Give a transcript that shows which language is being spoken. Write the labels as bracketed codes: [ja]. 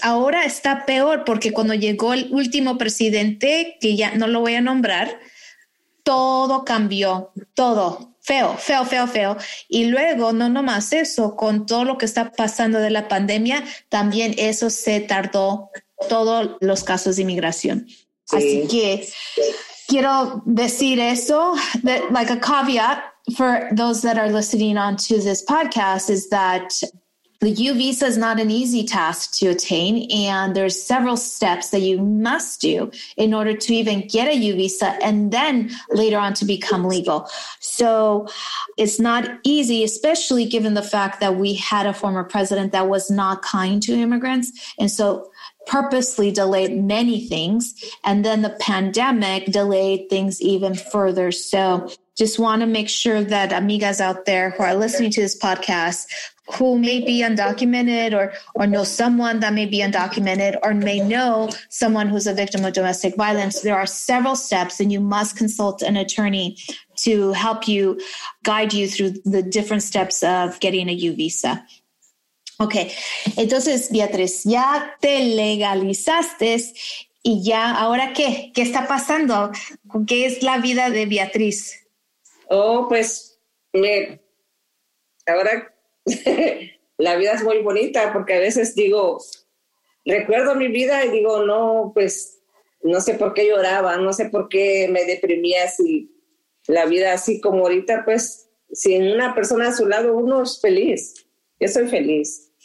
[es] Ahora está peor, porque cuando llegó el último presidente, que ya no lo voy a nombrar, todo cambió, todo. Feo. Y luego, no nomás eso, con todo lo que está pasando de la pandemia, también eso se tardó, todos los casos de inmigración. Sí. Así que quiero decir eso, [en] like a caveat for those that are listening on to this podcast, is that the U visa is not an easy task to attain, and there's several steps that you must do in order to even get a U visa and then later on to become legal. So it's not easy, especially given the fact that we had a former president that was not kind to immigrants. And so purposely delayed many things. And then the pandemic delayed things even further. So just want to make sure that amigas out there who are listening to this podcast, who may be undocumented or know someone that may be undocumented or may know someone who's a victim of domestic violence, there are several steps and you must consult an attorney to help you guide you through the different steps of getting a U visa. [es] Okay, entonces Beatriz, ya te legalizaste y ya, ¿ahora qué? ¿Qué está pasando? ¿Qué es la vida de Beatriz? Oh, pues, ahora la vida es muy bonita, porque a veces digo, recuerdo mi vida y digo, no, pues, no sé por qué lloraba, no sé por qué me deprimía así, la vida así como ahorita, pues, sin una persona a su lado, uno es feliz, yo soy feliz.